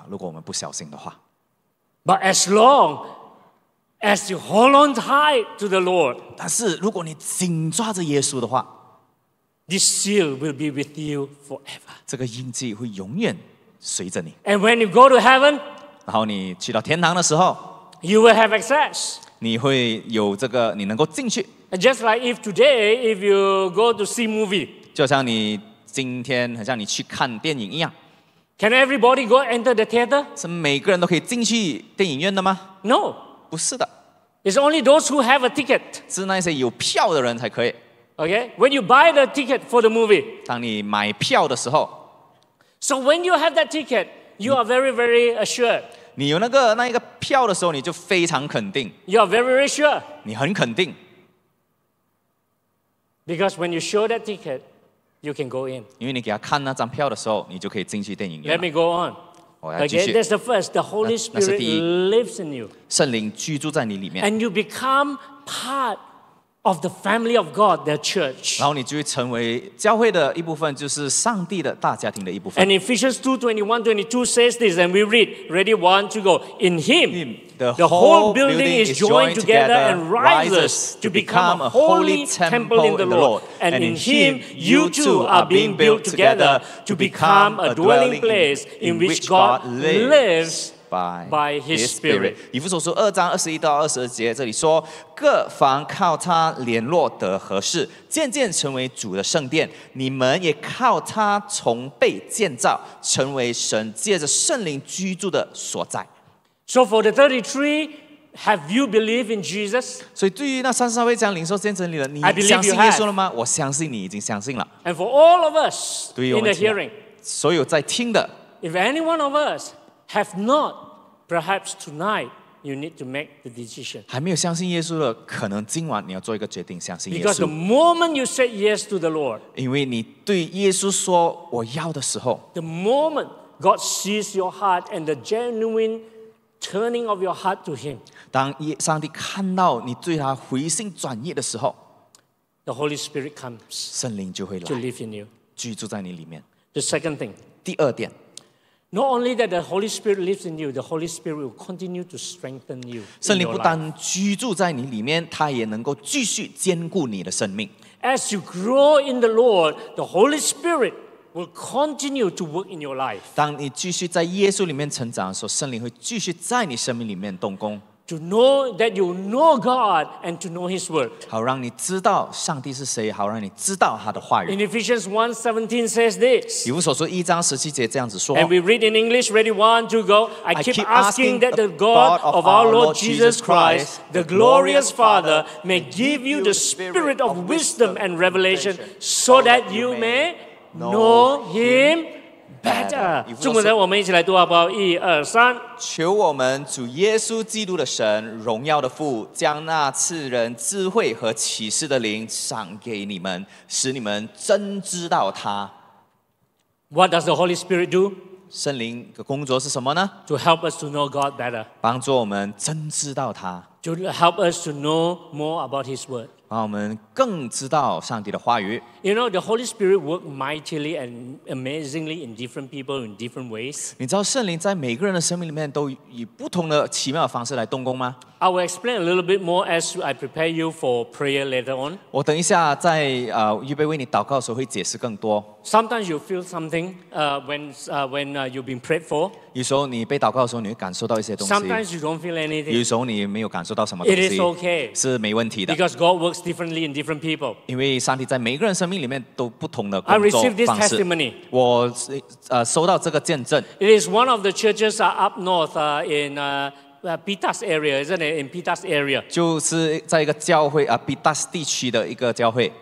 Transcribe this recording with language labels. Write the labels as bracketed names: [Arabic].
[Chinese] 希伯来书的作者呢，一直不断的警告我们，因为呢，我们是会出轨的，如果我们不小心的话。 [English] But as long as you hold on tight to the Lord, [Chinese] 但是如果你紧抓着耶稣的话， [English] this seal will be with you forever. [Chinese] 这个印记会永远。随着你, [English] and when you go to heaven, [Chinese] 然后你去到天堂的时候, [English] you will have access. [Chinese] 你会有这个, 你能够进去, [English] just like if today, if you go to see movie, [Chinese] 就像你今天, 很像你去看电影一样, [English] can everybody go enter the theater? [Chinese] 是每个人都可以进去电影院的吗? [English] No. [Chinese] 不是的。 [English] It's only those who have a ticket. [Chinese] 是那些有票的人才可以。 [English] Okay, when you buy the ticket for the movie. [Chinese] 当你买票的时候。 [English] So when you have that ticket, you are very, very assured. [Chinese] 你有那个票的时候，你就非常肯定。 [English] You are very, very sure. [Chinese] 你很肯定。 [English] Because when you show that ticket, you can go in. [Chinese] 因为你给他看那张票的时候，你就可以进去电影院。 [English] Let me go on. [Chinese] 我要继续。 [English] Okay, that's the first. The Holy Spirit lives in you. [Chinese] 圣灵居住在你里面。 [English] And you become part of the family of God, the church. [Chinese] 然后你就会成为教会的一部分，就是上帝的大家庭的一部分。 [English] And Ephesians 2:21-22 says this, and we read, ready, one, to go. In Him, the whole building is joined together and rises to become a holy temple in the Lord. And in Him, you too are being built together to become a dwelling place in which God lives. By His Spirit. [Chinese] 以弗所书二章二十一到二十二节这里说，各房靠他联络得合适，渐渐成为主的圣殿，你们也靠他从被建造，成为神借着圣灵居住的所在。 [English] So for the 33, have you believed in Jesus? [Chinese] 所以对于那三十二位将领受见证礼的，你相信耶稣了吗？我相信你已经相信了。 [English] And for all of us in the hearing, [Chinese] 所有在听的， [English] if any one of usHave not, perhaps tonight you need to make the decision. [Chinese] 还没有相信耶稣的，可能今晚你要做一个决定，相信耶稣。 [English] Because the moment you said yes to the Lord, [Chinese] 因为你对耶稣说我要的时候， [English] the moment God sees your heart and the genuine turning of your heart to Him, [Chinese] 当上帝看到你对他回心转意的时候， [English] the Holy Spirit comes, [Chinese] 圣灵就会来 [English] to live in you, [Chinese] 居住在你里面。 [English] The second thing, [Chinese] 第二点。 [English] Not only that the Holy Spirit lives in you, the Holy Spirit will continue to strengthen you. [Chinese] 圣灵不单居住在你里面，他也能够继续坚固你的生命。 [English] As you grow in the Lord, the Holy Spirit will continue to work in your life. [Chinese] 当你继续在耶稣里面成长的时候，圣灵会继续在你生命里面动工。 [English] To know that you know God and to know His word. [Chinese] 好让你知道上帝是谁，好让你知道他的话语。 [English] In Ephesians 1:17 says this. [Chinese] 以弗所书一章十七节这样子说。 [English] And we read in English, ready, one, two, go. I keep asking that the God of our Lord Jesus Christ, the glorious Father, may give you the spirit of wisdom and revelation so that you may know Him. [Chinese] 中文的我们一起来读好不好？一二三，求我们主耶稣基督的神，荣耀的父，将那赐人智慧和启示的灵赏给你们，使你们真知道他。 [English] What does the Holy Spirit do? [Chinese] 圣灵的工作是什么呢？ [English] To help us to know God better. [Chinese] 帮助我们真知道他。 [English] To help us to know more about His word. [Chinese] 让我们更知道上帝的话语。 [English] You know, the Holy Spirit works mightily and amazingly in different people in different ways. [Chinese] 你知道圣灵在每个人的生命里面都以不同的奇妙方式来动工吗？ [English] I will explain a little bit more as I prepare you for prayer later on. [Chinese] 我等一下在预备为你祷告的时候会解释更多。 [English] Sometimes you feel something when you've been prayed for. [Chinese] 有时候你被祷告的时候，你会感受到一些东西。 [English] Sometimes you don't feel anything. [Chinese] 有时候你没有感受到什么东西。 [English] It is okay. [Chinese] 是没问题的。 [English] Because God works differently in different people. [Chinese] 因为上帝在每个人生命里面都不同的工作方式。 [English] I received this testimony. [Chinese] 我收到这个见证。 [English] It is one of the churches up north in. Pitas area, isn't it? In Pitas area, [Chinese] 就是在一个教会啊 ，Pitas 地区的一个教会。